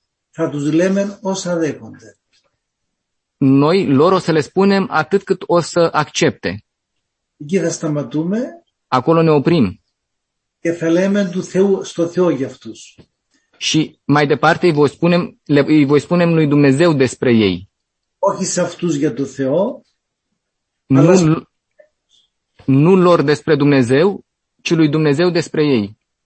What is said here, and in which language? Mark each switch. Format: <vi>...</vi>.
<el>Θα τους λέμεν όσα δέχονται.</el> <ro>Noi lor o să le spunem atât cât o să accepte.</ro> <el>Εκεί θα σταματούμε. Ακόλο νεο πριν. Και θα λέμε του Θεού, στο Θεό για αυτούς.</el> <ro>Și mai departe îi voi spunem lui Dumnezeu despre ei.</ro> <el>Όχι σε αυτούς για το Θεό.</el> <ro>Nu lor despre Dumnezeu, ci lui Dumnezeu despre ei.</ro>